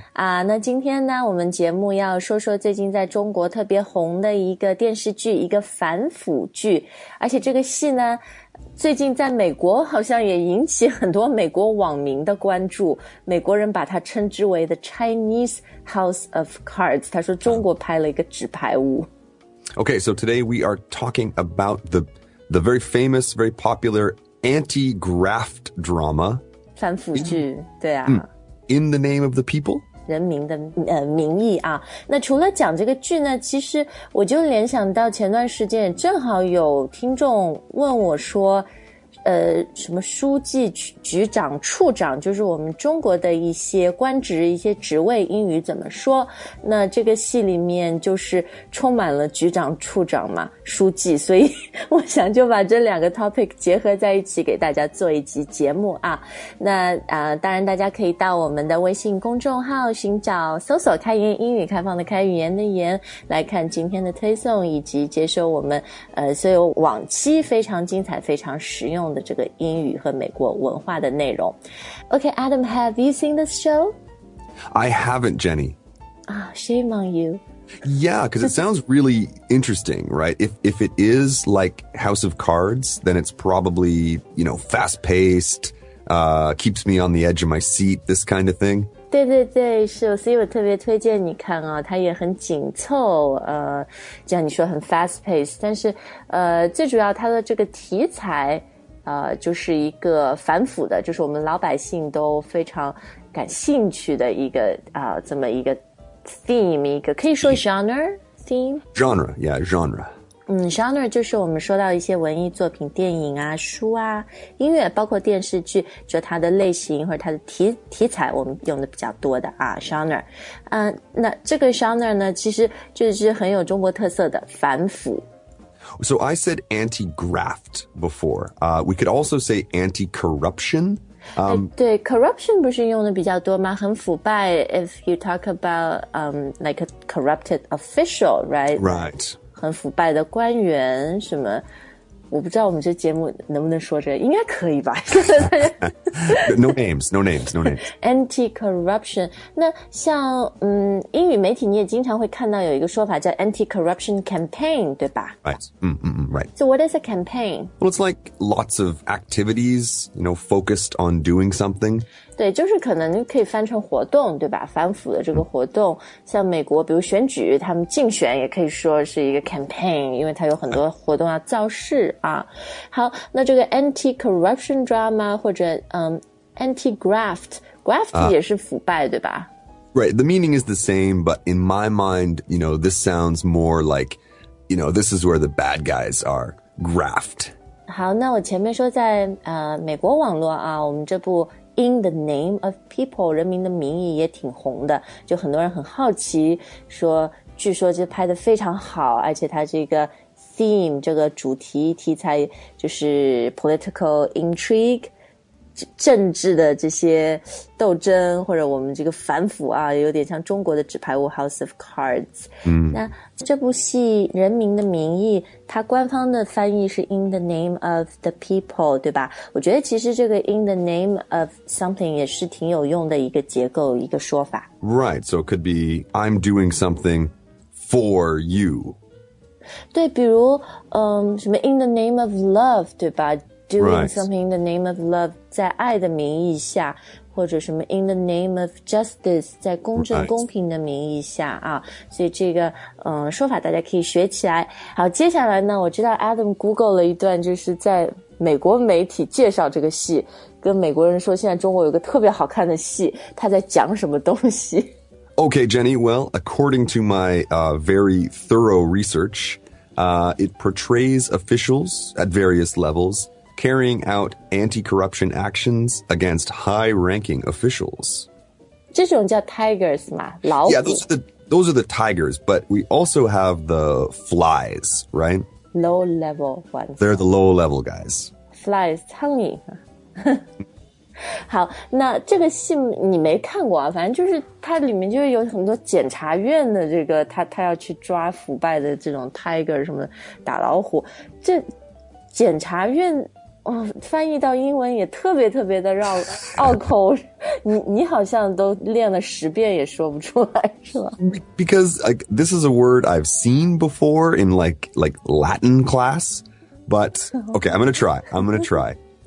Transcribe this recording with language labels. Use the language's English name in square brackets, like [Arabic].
[Chinese] 啊，那今天呢，我们节目要说说最近在中国特别红的一个电视剧，一个反腐剧，而且这个戏呢，最近在美国好像也引起很多美国网民的关注，美国人把它称之为 The Chinese House of Cards， 他说中国拍了一个纸牌屋。 [English] Okay, so today we are talking about the very famous, very popular anti-graft drama. [Chinese] 反腐剧，对啊。 [English] In the name of the people? [Chinese] 人民的名义啊。那除了讲这个剧呢，其实我就联想到前段时间正好有听众问我说，什么书记、局长、处长，就是我们中国的一些官职、一些职位，英语怎么说？那这个戏里面就是充满了局长、处长嘛，书记，所以我想就把这两个 topic 结合在一起，给大家做一集节目啊。那当然大家可以到我们的微信公众号寻找、搜索"开言英语"，开放的开，语言的言，来看今天的推送以及接收我们所有往期非常精彩、非常实用。的这个英语和美国文化的内容。 [English] Okay, Adam, have you seen this show? I haven't, Jenny. Ah, shame on you. Yeah, because it sounds really interesting, right? If it is like House of Cards, then it's probably, you know, fast-paced, keeps me on the edge of my seat, this kind of thing. [Chinese] 对对对，是，所以我特别推荐你看啊，它也很紧凑，就像你说很 fast-paced, 但是最主要它的这个题材就是一个反腐的，就是我们老百姓都非常感兴趣的一个这么一个 theme， 一个可以说 genre theme [English] genre， yeah genre， [Chinese] genre 就是我们说到一些文艺作品，电影啊、书啊、音乐，包括电视剧，就它的类型或者它的题材，我们用的比较多的啊 genre。那这个 genre 呢，其实就是很有中国特色的反腐。 [English] So I said anti-graft before. We could also say anti-corruption. [Chinese] 对 ,corruption 不是用的比较多吗？很腐败 [English] if you talk about like a corrupted official, right? Right. [Chinese] 很腐败的官员什么。我不知道我们这节目能不能说这个，应该可以吧。 [English] No names, no names, no names. Anti-corruption. [Chinese] 那像英语媒体你也经常会看到有一个说法叫 [English] anti-corruption campaign, [Chinese] 对吧？ [English] Right. Right. So what is a campaign? Well, it's like lots of activities, you know, focused on doing something. [Chinese] 对，就是可能可以翻成活动，对吧？反腐的这个活动，像美国比如选举，他们竞选也可以说是一个 campaign, 因为它有很多活动要造势啊。好，那这个 [English] anti-corruption drama [Chinese] 或者anti-graft 也是腐败，对吧？ [English] Right, the meaning is the same, but in my mind, you know, this sounds more like, you know, this is where the bad guys are, graft. [Chinese] 好，那我前面说在美国网络啊，我们这部 In the Name of People, 人民的名义也挺红的，就很多人很好奇说，据说这拍得非常好，而且它这个theme, 这个主题题材就是 [English] political intrigue, [Chinese] 政治的这些斗争，或者我们这个反腐啊，有点像中国的纸牌屋 House of Cards。那这部戏《人民的名义》，它官方的翻译是 In the Name of the People, 对吧？我觉得其实这个 In the Name of Something 也是挺有用的一个结构，一个说法。 [English] Right, so it could be I'm doing something for you. [Chinese] 对，比如什么 In the Name of Love, 对吧？ [English] Doing something in the name of love, [Chinese] 在爱的名义下，或者什么 [English] in the name of justice, [Chinese] 在公正公平的名义下啊，所以这个说法大家可以学起来。好，接下来呢，我知道 Adam Google 了一段，就是在美国媒体介绍这个戏，跟美国人说现在中国有个特别好看的戏，他在讲什么东西。 [English] Okay, Jenny, well, according to my very thorough research, it portrays officials at various levels. Carrying out anti-corruption actions against high-ranking officials. [Chinese] 这种叫 tigers 吗？老虎。 [English] Yeah, those are the tigers, but we also have the flies, right? Low-level ones. They're the low-level guys. [Chinese] Flies, 苍蝇。好，那这个戏你没看过啊，反正就是它里面就有很多检察院的这个他要去抓腐败的这种 tiger 什么打老虎，这检察院哦，翻译到英文也特别特别的绕拗口，你好像都练了十遍也说不出来，是吧？ [English] Because like this is a word I've seen before in like Latin class, but okay, I'm gonna try.